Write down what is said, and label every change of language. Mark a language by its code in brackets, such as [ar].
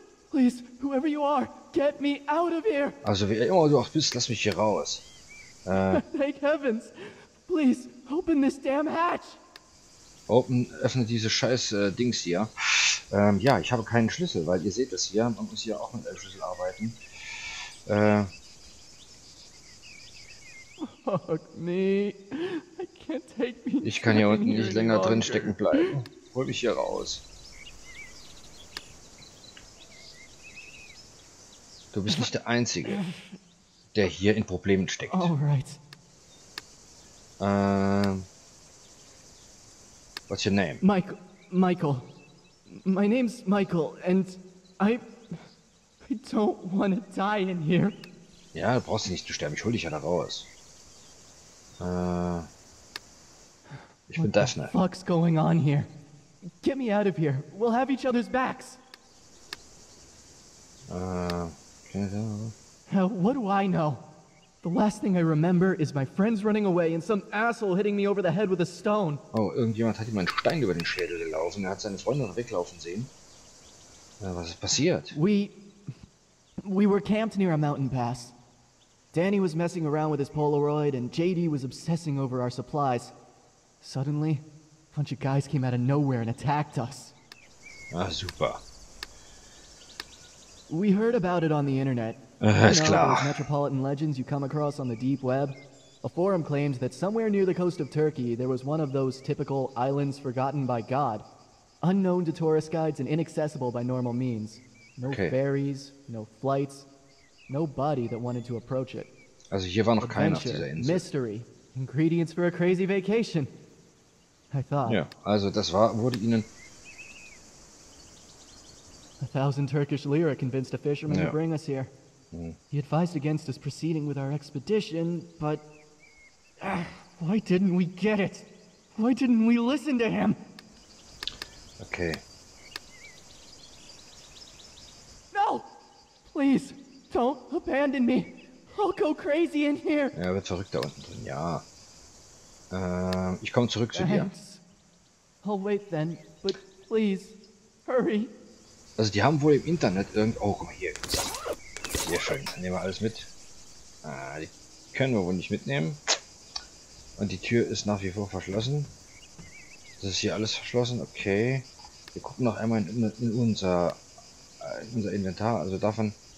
[en] Please, whoever you are, get me out of here. [de] Also, wie immer du auch bist, lass mich hier raus. [en] Thank heavens. Please, open this damn hatch. [de] Öffne diese scheiß Dings hier. Ja, ich habe keinen Schlüssel, weil ihr seht das hier. Man muss hier auch mit einem Schlüssel arbeiten. [en] Fuck me. I can't take me. [de] Ich kann hier unten nicht länger drin stecken bleiben. Hol mich hier raus. Du bist nicht der Einzige, der hier in Problemen steckt. Alright. [en] What's your name? Michael. My name's Michael, and I don't want to die in here. [de] Ja, du brauchst nicht zu sterben. Ich hol dich ja da raus. Ich bin Daphne. [en] What the fuck's going on here? Get me out of here. We'll have each other's backs. Okay. What do I know? The last thing I remember is my friends running away and some asshole hitting me over the head with a stone. [de] Oh, irgendjemand hat ihm einen Stein über den Schädel gelaufen. Er hat seine Freundin weglaufen sehen. Ja, was ist passiert? [en] We were camped near a mountain pass. Danny was messing around with his Polaroid and JD was obsessing over our supplies. Suddenly, a bunch of guys came out of nowhere and attacked us. Ah, super. We heard about it on the internet. [de] Ist klar. [en] Those metropolitan legends you come across on the deep web. A forum claims that somewhere near the coast of Turkey, there was one of those typical islands forgotten by God. Unknown to tourist guides and inaccessible by normal means. No ferries, no flights, nobody that wanted to approach it. [de] Also hier war noch keiner auf dieser Insel. [en] Mystery, ingredients for a crazy vacation. I thought. [de] Ja, also das war, wurde ihnen... [en] 1,000 Turkish lira convinced a fisherman to bring us here. He advised against us proceeding with our expedition, but... why didn't we get it? Why didn't we listen to him? Okay. No! Please, don't abandon me. I'll go crazy in here. [de] Ja, wird verrückt da unten drin, ja. Ich komme zurück zu dir. [en] I'll wait then, but please, hurry. [de] Also die haben wohl im Internet irgendwo... Oh, guck mal hier. Sehr schön, dann nehmen wir alles mit. Ah, die können wir wohl nicht mitnehmen. Und die Tür ist nach wie vor verschlossen. Das ist hier alles verschlossen, okay. Wir gucken noch einmal in unser Inventar, also davon...